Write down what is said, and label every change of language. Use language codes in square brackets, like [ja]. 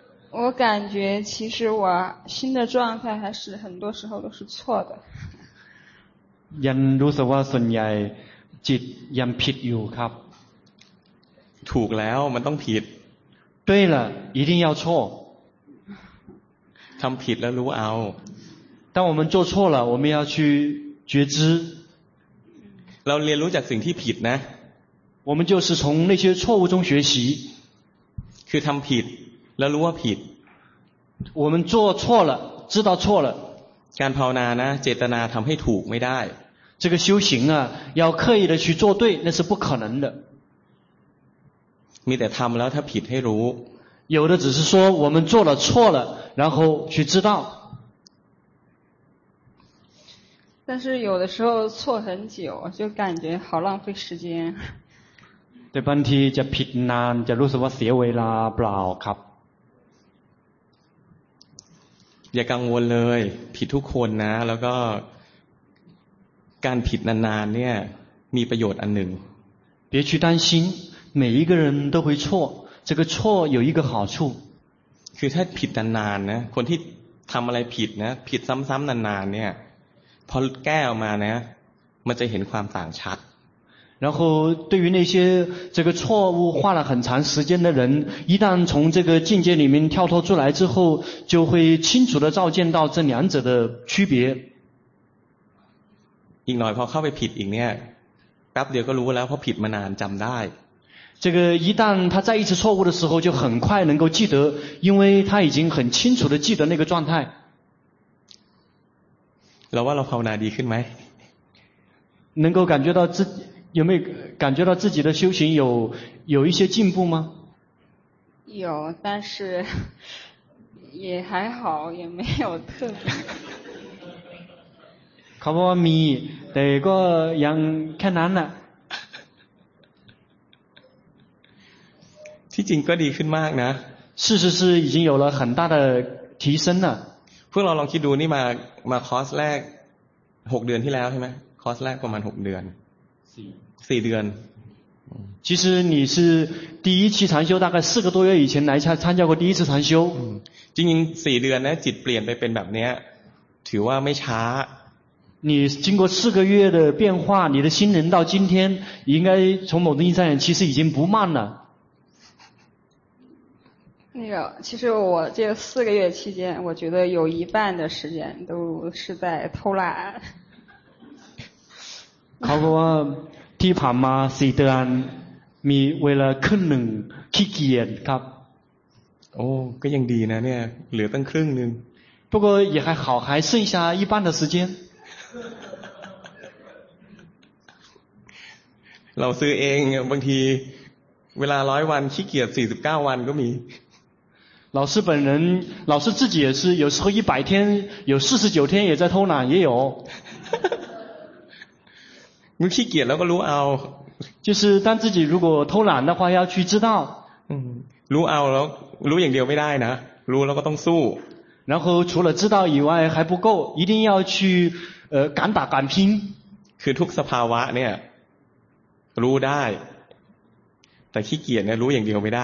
[zh] 我感觉其实我新的状态还是很多时候都是错的。 [th] ยังรู้สึกว่าส่วนใหญ่จิตยังผิดอยู่ครับ ถูกแล้วมันต้องผิด [zh] 对了一定要错 [th] ทำผิดแล้วรู้เอา [zh] 当我们做错了我们要去觉知 [th] เราเรียนรู้จากสิ่งที่ผิดนะ [zh] 我们就是从那些错误中学习 [th] คือทำผิดแล้วรู้ว่าผิด [zh] 我们做错了知道错了 [th] การภาวนานะเจตนาทำให้ถูกไม่ได้ [zh] 这个修行啊要刻意的去做对那是不可能的 [th] มีแต่ทำแล้วถ้าผิดให้รู้ [zh] 有的只是说我们做了错了然后去知道但是有的时候错很久就感觉好浪费时间 [th] แต่บางทีจะผิดนานจะรู้สึกว่าเสียเวลาเปล่าครับ อย่ากังวลเลยผิดทุกคนนะแล้วก็การผิดนานๆเนี่ยมีประโยชน์อันหนึ่ง [zh] 别去担心每一个人都会错这个错有一个好处 [th] คือถ้าผิดนานๆนะคนที่ทำอะไรผิดนะผิดซ้ำๆนานๆเนี่ยพอแก้ออกมานะมันจะเห็นความต่างชัด [zh] 然后对于那些这个错误花了很长时间的人一旦从这个境界里面跳脱出来之后就会清楚地照见到这两者的区别 [th] อีกหน่อยพอเข้าไปผิดอีกเนี่ยแป๊บเดียวก็รู้แล้วเพราะผิดมานานจำได้ [zh] 这个一旦他再一次错误的时候就很快能够记得因为他已经很清楚地记得那个状态 [th] เราว่าเราภาวนาดีขึ้นไหม [zh] 能够感觉到自己有没有感觉到自己的修行有一些进步吗？有，但是也还好，也没有特别。 [th] เขาบอกว่ามีแต่ก็ยังแค่นั้นแหละ。 ที่จริงก็ดีขึ้นมากนะ。 [zh] 事实是已经有了很大的提升了。 [th] พวกเราลองคิดดูนี่มาคอร์สแรก6เดือนที่แล้วใช่ไหมคอร์สแรกประมาณ6เดือน。 4เดือน [zh] 其实你是第一期禅修大概4个多月以前来参加过第一次禅修 [th] จริงๆ4เดือนนะจิตเปลี่ยนไปเป็นแบบนี้ถือว่าไม่ช้า [zh] 你经过4个月的变化你的心能到今天应该从某种意义上其实已经不慢了那个其实我这4个月期间我觉得有一半的时间都是在偷懒 [th] เขาบอกว่าที่ผ่านมาสี่เดือนมีเวลาครึ่งหนึ่งขี้เกียจครับ โอ้ก็ยังดีนะเนี่ยเหลือตั้งครึ่งหนึ่ง [zh] 不过也还好还剩下一半的时间 [th] เราซื้อเองบางทีเวลา100วันขี้เกียจ49วันก็มี [zh] 老师本人老师自己也是有时候100天有49天也在偷懒也有 [th] มันขี้เกียจแล้วก็รู้เอา [zh] 就是当自己如果偷懒的话要去知道 [th] รู้เอาแล้วรู้อย่างเดียวไม่ได้นะรู้แล้วก็ต้องสู้ [zh] 然后除了知道以外还不够一定要去敢打敢拼 [th] คือทุกสภาวะเนี่ยรู้ได้แต่ขี้เกียจเนี่ยรู้อย่างเดียวไม่ได